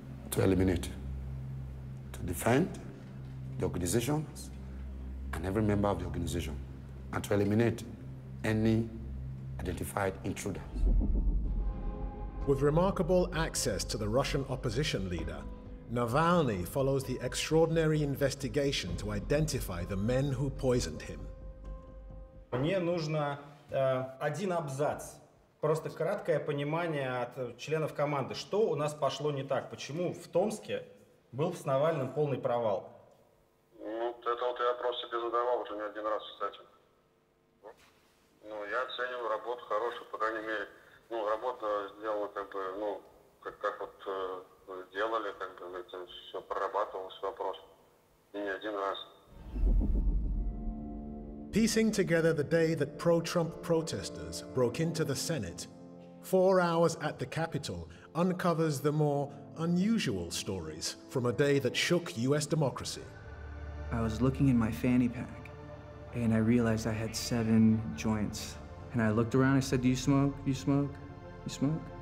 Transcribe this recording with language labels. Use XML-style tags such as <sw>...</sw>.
<en>To eliminate, to defend the organizations and every member of the organization, and to eliminate any identified intruder. With remarkable access to the Russian opposition leader, Navalny follows the extraordinary investigation to identify the men who poisoned him.</en> <ru>Мне нужно один абзац. Просто краткое понимание от членов команды, что у нас пошло не так, почему в Томске был с Навальным полный провал. Ну, вот это вот я просто тебе задавал уже не один раз, кстати. Ну, я оцениваю работу хорошую, по крайней мере. Ну, работа сделана как бы, ну, как вот делали, как бы этим все прорабатывалось вопрос. И не один раз.</ru> <en>Piecing together the day that pro-Trump protesters broke into the Senate, 4 hours at the Capitol uncovers the more unusual stories from a day that shook US democracy. I was looking in my fanny pack and I realized I had 7 joints. And I looked around, I said, do you smoke? You smoke? You smoke?</en>